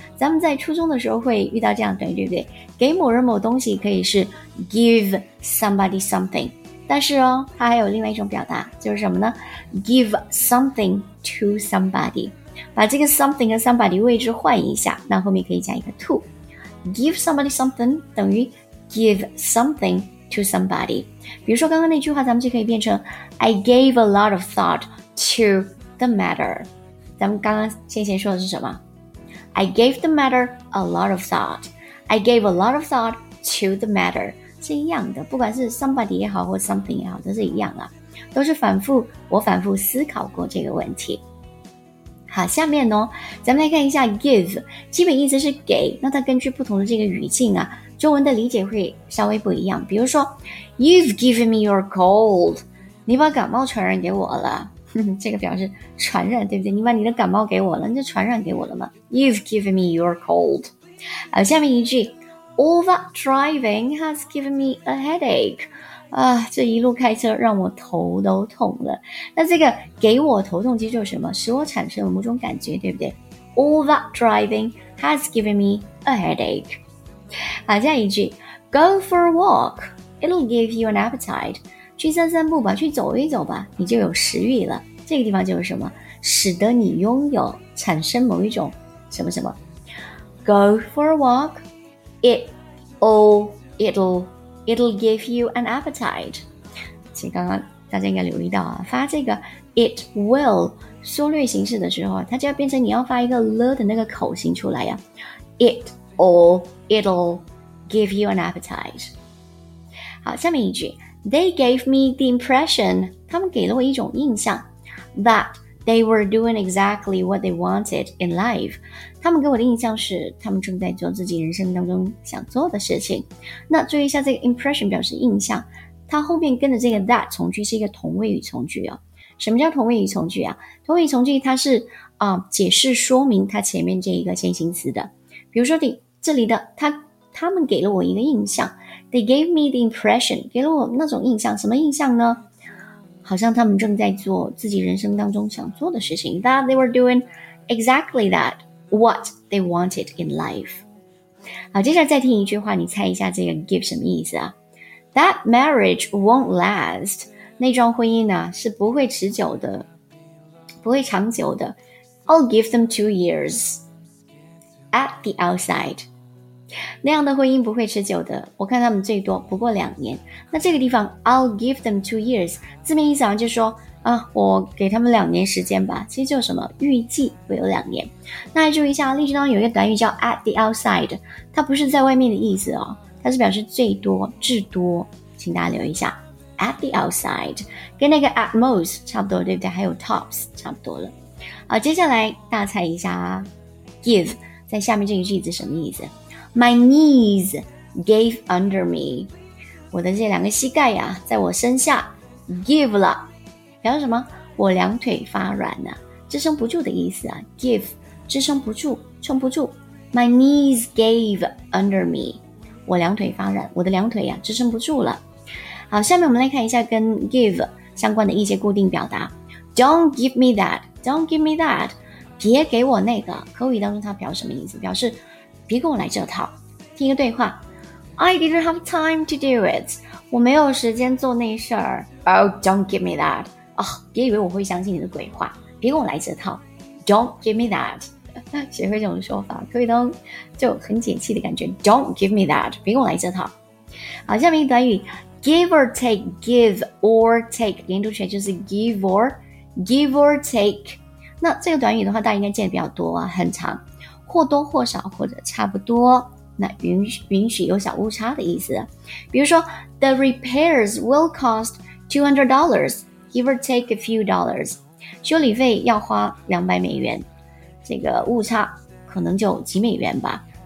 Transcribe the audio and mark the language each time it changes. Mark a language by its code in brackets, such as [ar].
[zh] 咱们在初中的时候会遇到这样的对不对？给某人某东西可以是 [en] give somebody something， [zh] 但是哦，它还有另外一种表达，就是什么呢？ [en] give something to somebody， [zh] 把这个 something 和 somebody 位置换一下，那后面可以加一个 to。 [en] Give somebody something [zh] 等于 [en] give something to somebody。 [zh] 比如说刚刚那句话咱们就可以变成 [en] I gave a lot of thought to the matter。 [zh] 咱们刚刚先前说的是什么？ [en] I gave the matter a lot of thought， I gave a lot of thought to the matter， [zh] 是一样的，不管是 somebody 也好或 something 也好都是一样啊，都是反复，我反复思考过这个问题。好，下面呢，咱们来看一下 give， 基本意思是给，那它根据不同的这个语境啊，中文的理解会稍微不一样。比如说 [en] You've given me your cold， [zh] 你把感冒传染给我了，这个表示传染，对不对？你把你的感冒给我了，你就传染给我了嘛。 [en] You've given me your cold。 [zh] 好，下面一句 [en] All that driving has given me a headache， [zh] 啊，这一路开车让我头都痛了。那这个给我头痛其实就是什么？使我产生了某种感觉，对不对？ [en] All that driving has given me a headache。 [zh] 好，下一句 [en] Go for a walk, it'll give you an appetite， [zh] 去散散步吧，去走一走吧，你就有食欲了。这个地方就是什么？使得你拥有产生某一种什么什么。 [en] Go for a walk, it'll give you an appetite。 [zh] 其实刚刚大家应该留意到啊，发这个 it will 缩略形式的时候，它就要变成你要发一个 了 的那个口型出来呀。 [en] it'll give you an appetite。 [zh] 好，下面一句 [en] They gave me the impression， [zh] 他们给了我一种印象， [en] that they were doing exactly what they wanted in life， [zh] 他们给我的印象是他们正在做自己人生当中想做的事情。那注意一下这个 impression 表示印象，它后面跟着这个 that 从句是一个同位语从句哦。什么叫同位语从句啊？同位语从句它是解释说明它前面这一个先行词的。比如说这里的他们给了我一个印象， [en] They gave me the impression， [zh] 给了我那种印象，什么印象呢？好像他们正在做自己人生当中想做的事情 [en] that they were doing exactly that, what they wanted in life. [zh] 好，接下来再听一句话，你猜一下这个 give 什么意思啊？ [en] That marriage won't last. [zh] 那桩婚姻呢、啊、是不会持久的，不会长久的。 [en] I'll give them 2 years at the outside. [zh] 那样的婚姻不会持久的，我看他们最多不过2年。那这个地方 [en] I'll give them 2 years [zh] 字面意思上就是说啊，我给他们2年时间吧，其实就什么预计会有2年。那注意一下，例句当中有一个短语叫 [en] at the outside， [zh] 它不是在外面的意思哦，它是表示最多至多，请大家留一下 at the outside， 跟那个 at most 差不多，对不对？还有 tops 差不多了。好，接下来大猜一下啊 ，give 在下面这个句子什么意思 ？ [en] My knees gave under me， [zh] 我的这两个膝盖呀、啊，在我身下 give 了，表示什么？我两腿发软呐、啊，支撑不住的意思啊 ，give 支撑不住，撑不住。 [en] My knees gave under me， [zh] 我两腿发软，我的两腿呀、啊、支撑不住了。好，下面我们来看一下跟 give 相关的一些固定表达 ， [en] Don't give me that。 Don't give me that， [zh] 别给我那个。口语当中它表示什么意思？表示别跟我来这套。听一个对话 ， [en] I didn't have time to do it， [zh] 我没有时间做那事儿。 [en] Oh， don't give me that， [zh] 啊、oh ，别以为我会相信你的鬼话，别跟我来这套。 [en] Don't give me that， [zh] 学会这种说法，口语当中就很解气的感觉。 [en] Don't give me that， [zh] 别跟我来这套。 好，下面一个短语 ，give or take， give or take， 连读起来就是 give or。 Give or take， 那这个短语的话，大家应该见的比较多啊，很长，或多或少或者差不多，那允许有小误差的意思。比如说 ， [en] The repairs will cost $200, give or take a few dollars， [zh] 修理费要花$200，这个误差可能就几美元吧。